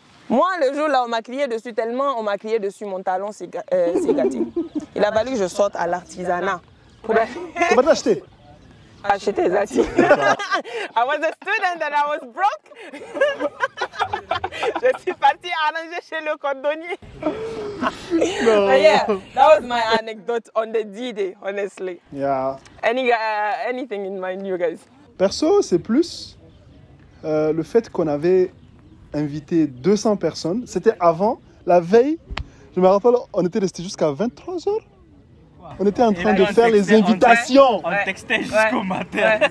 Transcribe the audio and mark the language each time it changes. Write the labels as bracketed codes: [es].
[fr] Moi, le jour là, on m'a crié dessus, mon talon s'est gâté. Il a fallu que je sorte à l'artisanat. Tu vas t'acheter? Acheter, Zati. [en] I was a student and I was broke. [fr] Je suis partie arranger chez le cordonnier. No. [en] But yeah, that was my anecdote on the D-Day, honestly. Yeah. Anything in mind, you guys? [fr] Perso, c'est plus le fait qu'on avait invité 200 personnes. C'était avant, la veille. Je me rappelle, on était resté jusqu'à 23 heures. On était en train de faire les invitations. On textait jusqu'au matin.